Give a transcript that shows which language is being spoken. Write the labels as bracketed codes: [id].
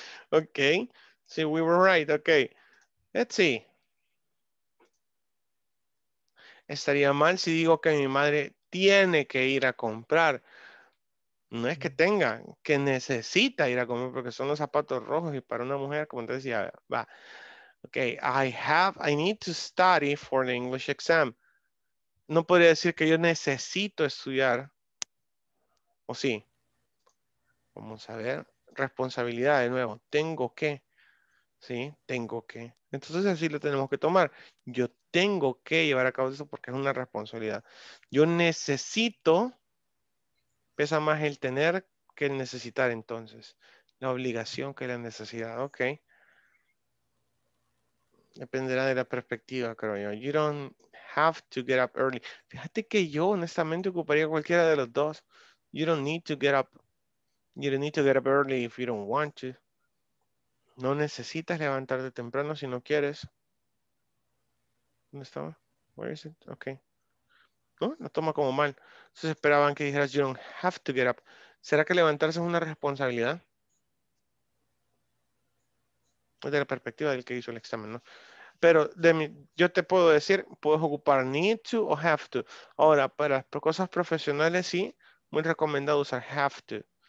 [en] Okay. See, we were right. Okay. Let's see. [es] Estaría mal si digo que mi madre tiene que ir a comprar. No es que tenga, que necesita ir a comprar porque son los zapatos rojos y para una mujer, como te decía, va. [en] Okay, I need to study for the English exam. [es] No podría decir que yo necesito estudiar. ¿O sí? Vamos a ver. Responsabilidad de nuevo. Tengo que. ¿Sí? Tengo que. Entonces así lo tenemos que tomar. Yo tengo que llevar a cabo eso porque es una responsabilidad. Yo necesito. Pesa más el tener que el necesitar entonces. La obligación que la necesidad. Ok. Dependerá de la perspectiva, creo yo. [en] You don't have to get up early. [es] Fíjate que yo honestamente ocuparía cualquiera de los dos. [en] You don't need to get up. You don't need to get up early if you don't want to. [es] No necesitas levantarte temprano si no quieres. ¿Dónde estaba? [en] Where is it? Okay. [es] No, no toma como mal. Entonces esperaban que dijeras [en] you don't have to get up. [es] ¿Será que levantarse es una responsabilidad? Desde la perspectiva del que hizo el examen, ¿no? Pero yo te puedo decir, puedes ocupar need to o have to. Ahora, para cosas profesionales, sí, muy recomendado usar have to.